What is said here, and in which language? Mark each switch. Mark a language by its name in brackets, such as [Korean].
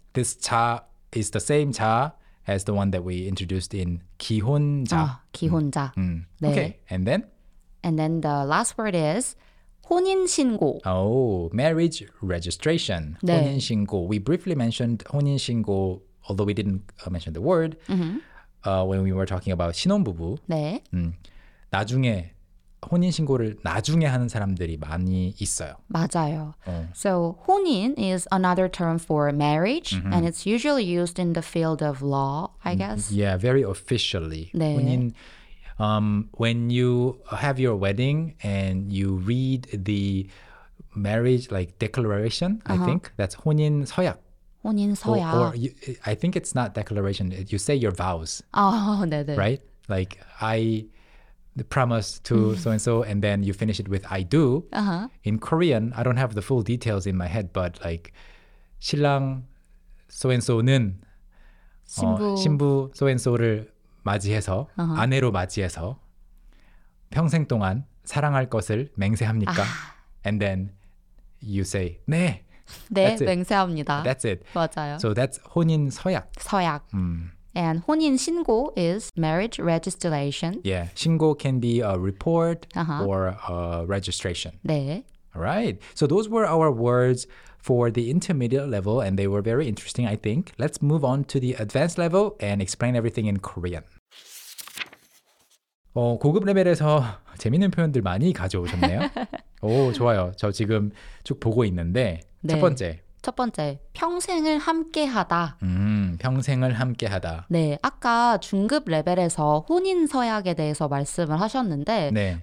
[English] This 자 is the same 자 as the one that we introduced in 기혼자. [Korean] 기혼자. [English] 네. Okay, and then? And then the last word is 혼인신고. Oh, marriage registration. [Korean] 네. 혼인신고. [English] We briefly mentioned 혼인신고, although we didn't mention the word. Mm-hmm. When we were talking about 신혼부부, [Korean] 네. 나중에 혼인신고를 나중에 하는 사람들이 많이 있어요. 맞아요. [English] So 혼인 is another term for marriage, mm-hmm. and it's usually used in the field of law, I guess. Yeah, very officially. [Korean] 네. [English] 혼인, when you have your wedding and you read the marriage like declaration, uh-huh. I think that's 혼인 서약. [Korean] 혼인 서약. [English] Or you, I think it's not declaration. You say your vows. [Korean] Oh, 네네. [English] Right? Like, I promise to so-and-so, and then you finish it with I do. Uh-huh. In Korean, I don't have the full details in my head, but like, [Korean] 신랑 so-and-so는 신부 so-and-so를 맞이해서, uh-huh. 아내로 맞이해서 평생 동안 사랑할 것을 맹세합니까? Ah. [English] And then you say, 네! [Korean] 네, 맹세합니다. [English] That's it. [Korean] 맞아요. [English] So that's 혼인 서약. 서약. And 혼인 신고 is marriage registration. Yeah, 신고 can be a report or a registration. [Korean] 네. [English] All right. So those were our words for the intermediate level, and they were very interesting, I think. Let's move on to the advanced level and explain everything in Korean. [Korean] 고급 레벨에서 재밌는 표현들 많이 가져오셨네요. 오, 좋아요. 저 지금 쭉 보고 있는데 네. 첫 번째. 첫 번째, 평생을 함께하다. 평생을 함께하다. 네, 아까 중급 레벨에서 혼인서약에 대해서 말씀을 하셨는데 네.